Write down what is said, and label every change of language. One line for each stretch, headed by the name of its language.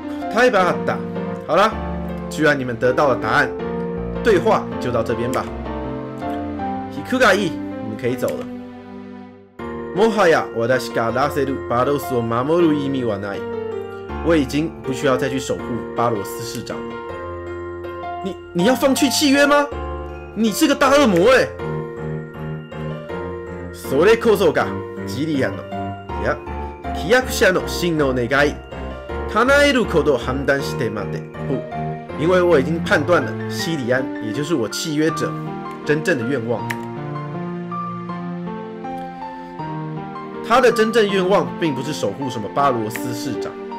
Chinese: 太棒了！好了，居然你们得到了答案，对话就到这边吧。
Japanese: ひくがいい，
Chinese: 你们可以走了。
Japanese: もはや私がラセルバロスを守る意味はない。
Chinese: 我已经不需要再去守护巴罗斯市长了。你要放弃契约吗？你是个大恶魔哎！
Japanese: それこそがジリアンの、いや、契約者の真の願い。叶えることを判断してまで。
Chinese: 不，因为我已经判断了西里安，也就是我契约者真正的愿望。他的真正愿望并不是守护什么巴罗斯市长。